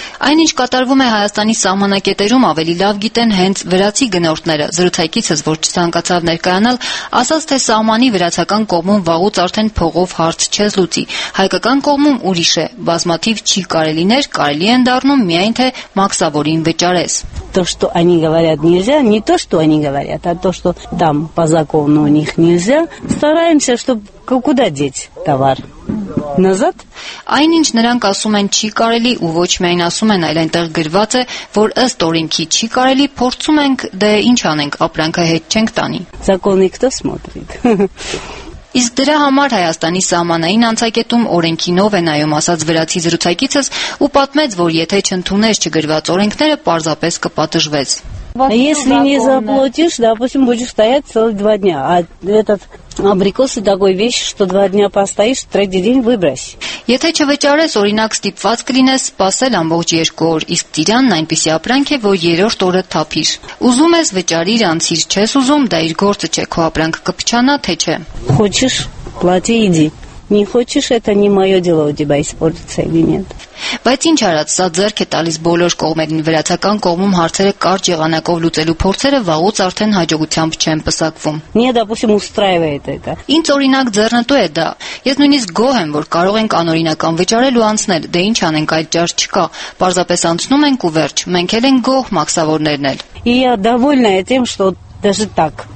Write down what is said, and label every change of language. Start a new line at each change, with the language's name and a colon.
Armenian: Այնինչ կատարվում է Հայաստանի սահմանակետերում, ավելի լավ գիտեն հենց վրացի գնորդները։ Զրուցակիցս, որ չցանկացավ ներկայանալ, ասաց, թե սահմանի վրացական կողմում վաղուց արդեն փողով հարց չես լուծի, հայկական կողմում ուրիշ է, բազմաթիվ չի կարելիներ, կարելի են դառնում միայն թե մաքսավորին վճարես։
Russian: То что они говорят нельзя, не то что они говорят, а то что там по закону у них нельзя. Стараемся, чтобы куда деть товар. Назад?
Armenian: Այնինչ նրանք ասում են, չի կարելի, ու ոչ միայն ասում են, այլ այնտեղ գրված է, որ ըստ օրենքի չի կարելի, փորձում ենք, դե ինչ անենք, ապրանքը հետ չենք տանի։
Russian: Законы кто смотрит?
Armenian: Իսկ դրա համար Հայաստանի սահմանային անցակետում օրենքի նով է նայում, ասած վրացի զրուցակիցս, ու պատմեց, որ եթե չընդունես չգրված օրենքները, պարզապես կպատժվես։
Russian: Если не заплатишь, допустим, будешь стоять целых 2 дня, а этот абрикос и такой вещь, что 2 дня постоишь, третий день выбрось.
Armenian: Եթե չվճարես, օրինակ ստիպված կլինես սпасել ամբողջ 2 օր, իսկ ծիրանն այնպեսի ապրանք է, որ 3-րդ օրը թափիր։ Ուզում ես վճարիր, անցիր, չես ուզում, դա իր գործը չէ, քո ապրանքը կփչանա, թե չէ։
Russian: Хочешь, плати иди. Не хочешь, это не моё дело, у тебя испортится или нет.
Armenian: Բայց ինչ արած, սա ձեռք է տալիս բոլոր կողմերին, վրացական կողմում հարցերը կարճ եղանակով լուծելու փորձերը վաղուց արդեն հաջողությամբ չեն պսակվում։
Russian: Не, допустим, устраивает это.
Armenian: Ինձ օրինակ ձեռնտու է դա։ Ես նույնիսկ գոհ եմ, որ կարող ենք անօրինական վճարել ու անցնել, դե ինչ անենք, այլ ճար չկա։ Պարզապես անցնում ենք ու վերջ, մենք էլ ենք գոհ, մաքսավորներն էլ։
Russian: Я довольна этим, что даже так.